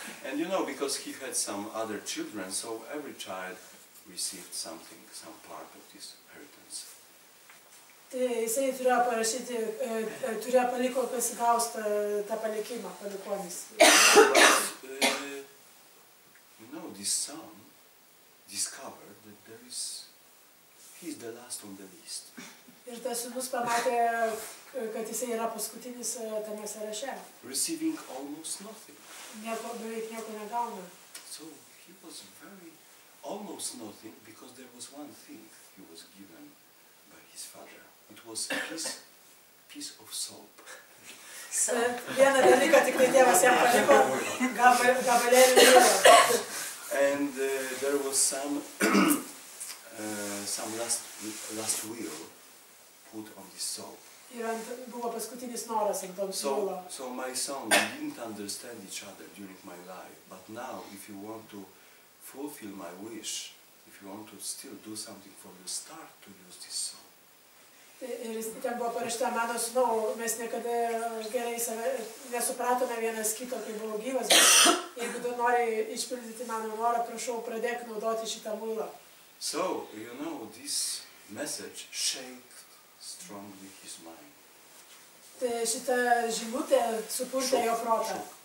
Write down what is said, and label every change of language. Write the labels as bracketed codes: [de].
[en] And you know, because he had some other children, so every child received something, some part of this inheritance. [lt] Tai jisai turėjo parašyti, turėjo paliko, kas gaus tą palikimą, palikonis. [en] You know, this son discovered that there is, he's the last on the list. [lt] Ir tas sūnus pamatė, kad jisai yra paskutinis tame sąraše. [en] Receiving almost nothing. [lt] Beveik nieko negauna. [en] So he was very, almost nothing, because there was one thing he was given by his father. It was a piece of soap. [lt] Vieną dalyką tik tai tėvas jam paliko gabalėlį. [en] And there was some last will put on this soap. [lt] Ir buvo paskutinis noras ant to siūlo. [en] So my son, we didn't understand each other during my life, but now if you want to fulfill my wish, if you want to still do something for you, start to use this soap. [lt] Ir ten buvo parašta, mano sūnau, mes niekada gerai nesupratome vienas kito, kai buvo gyvas, bet jeigu tu nori išpildyti mano norą, prašau, pradėk naudoti šitą muilą. [en] So, you know, this message shaked strongly his mind. [lt] Tai šita žinutė supurtė jo protą.